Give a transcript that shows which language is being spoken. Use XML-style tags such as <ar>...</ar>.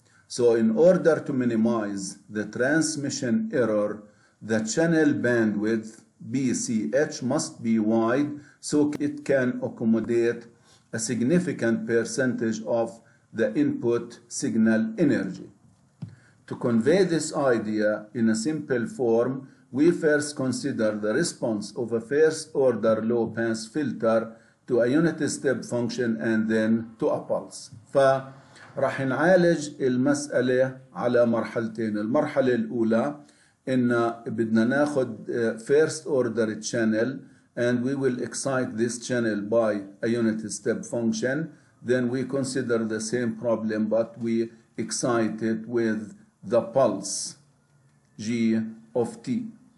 <en>So in order to minimize the transmission error, the channel bandwidth BCH must be wide so it can accommodate a significant percentage of the input signal energy. To convey this idea in a simple form, we first consider the response of a first-order low-pass filter to a unit step function and then to a pulse.</en> <ar>فراح نعالج المسألة على مرحلتين. المرحلة الأولى إن بدنا ناخد</ar> <en>first-order channel and we will excite this channel by a unit step function. Then we consider the same problem but we excite it with the pulse G of T.</en>